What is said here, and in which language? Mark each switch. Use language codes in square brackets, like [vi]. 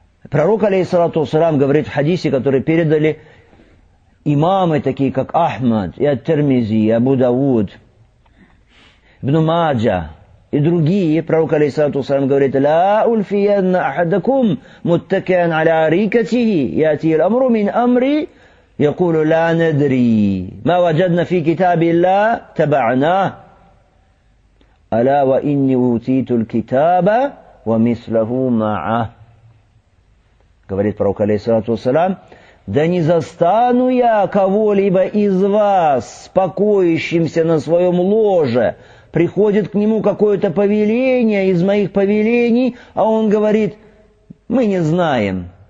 [ru] Пророк, алейхиссалату вассалям, говорит в хадисе, который передали имамы, такие как Ахмад, и Ат-Тирмизи, и Абу Дауд, Ибн Маджа и другие. [ar] Пророк, алейхиссалату вассалям, говорит: «Ла ульфиянна ахадакум муттакиан аля рикатихи, яти ламру мин амри». يقول لا ندري ما وجدنا في كتاب الله تبعنا الا واني اوتيت الكتاب ومثله معه. [ru] Говорит пророк, алейхиссалату вассалям: да не застану я кого-либо из вас покоящимся на своем ложе, приходит к нему какое-то повеление из моих повелений, а он говорит: мы не знаем.